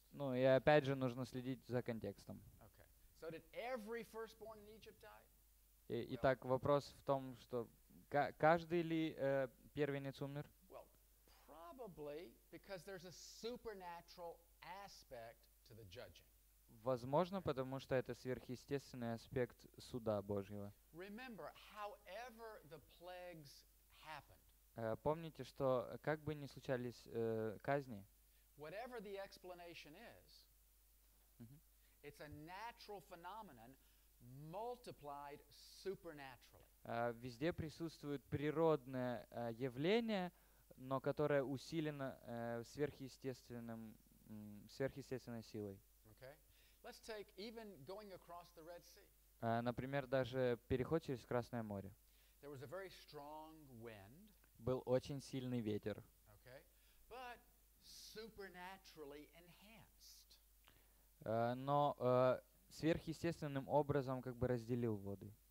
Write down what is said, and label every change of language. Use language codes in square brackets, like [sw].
[ru] Ну, и опять же, нужно следить за контекстом. [en] Okay. So did every firstborn in Egypt die? [ru] Итак, вопрос в том, что каждый ли первенец умер? [en] Well, probably, because there's a supernatural aspect to the judging. [ru] Возможно, потому что это сверхъестественный аспект суда Божьего. [en] Remember, however the plagues happened. [ru] Помните, что как бы ни случались казни, [en] whatever the explanation is, it's a natural phenomenon multiplied supernaturally. [ru] Везде присутствует природное явление, но которое усилено сверхъестественной силой. [en] Okay. Let's take even going across the Red Sea. [ru] Например, даже переход через Красное море. [en] There was a very strong wind. [ru] Был очень сильный ветер. [en] Okay. But supernaturally enhanced. [ru] Но сверхъестественным образом как бы разделил воды.